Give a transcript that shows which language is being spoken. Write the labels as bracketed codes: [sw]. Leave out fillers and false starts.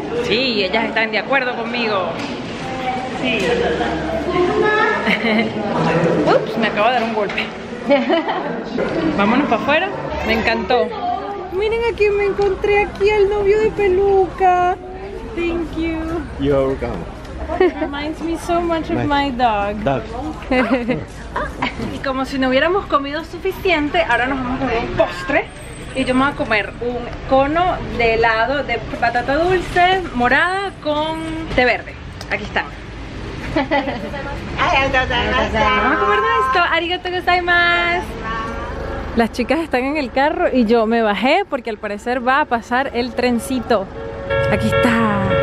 [es] Sí, ellas están de acuerdo conmigo. Sí. Ups, me acabo de dar un golpe. Vámonos para afuera. Me encantó. Miren a quién me encontré aquí, el novio de Peluca. [en] Thank you. You're welcome. Reminds me so much of my dog. Dog. [es] Y como si no hubiéramos comido suficiente, ahora nos vamos a comer un postre. Y yo me voy a comer un cono de helado de patata dulce morada con té verde. Aquí está. Vamos a comer de esto. [ja] Arigato gozaimasu. [es] Las chicas están en el carro y yo me bajé porque al parecer va a pasar el trencito. Aquí está.